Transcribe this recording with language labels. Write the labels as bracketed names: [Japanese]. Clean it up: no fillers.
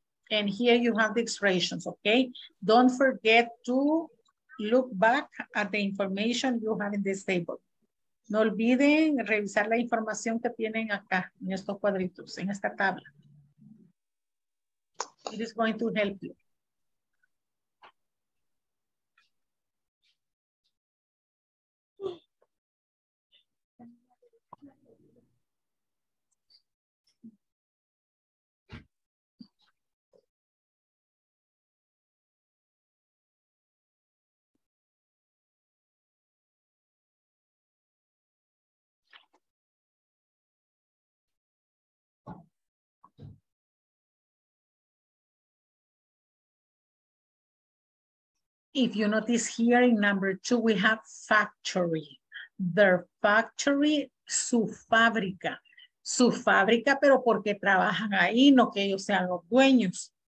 [English] And here you have the expressions, okay? Don't forget to look back at the information you have in this table. [Spanish] No olviden revisar la información que tienen acá, en estos cuadritos, en esta tabla. [English] It is going to help you. If you notice here in number 2, we have factory. Their factory, [Spanish] su fábrica. Su fábrica, pero porque trabajan ahí, no que ellos sean los dueños.